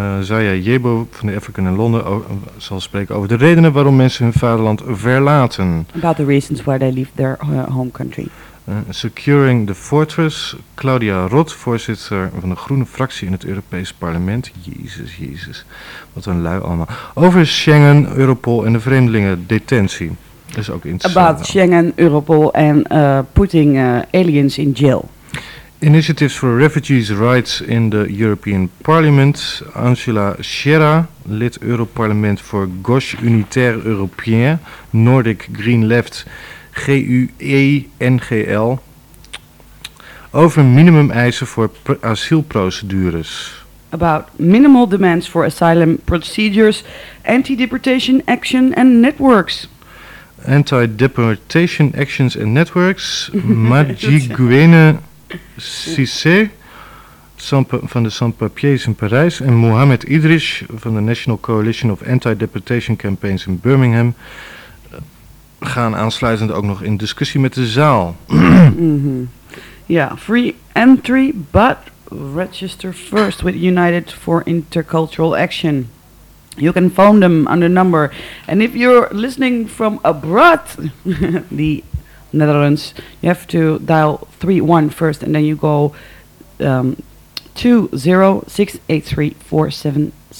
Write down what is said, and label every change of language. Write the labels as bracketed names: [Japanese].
[Dutch] Zaya Yebo van de African in Londen zal spreken over de redenen waarom mensen hun vaderland verlaten. [English] About the reasons why they leave their home country. Securing the Fortress. [Dutch] Claudia Roth, voorzitter van de Groene Fractie in het Europees Parlement. Jezus, Jezus. Wat een lui allemaal. Over Schengen, Europol en de vreemdelingendetentie. Dat is ook interessant. [English] About Schengen, Europol en putting aliens in jail. Initiatives for Refugees' Rights in the European Parliament. [Dutch] Angela Schera, lid Europarlement voor Gauche Unitaire Européen, Nordic Green Left, GUENGL. Over minimum eisen voor asielprocedures. [English] About minimal demands for asylum procedures, anti-deportation action and networks. Anti-deportation actions and networks. [Dutch] Magiguene Cissé van de Sans-Papiers in Parijs en Mohamed Idris van de National Coalition of Anti-Deportation Campaigns in Birmingham gaan aansluitend ook nog in discussie met de zaal. [English] Ja, free entry, but register first with United for Intercultural Action. You can phone them on the number. And if you're listening from abroad, the Netherlands, you have to dial 31 first and then you go 206834778.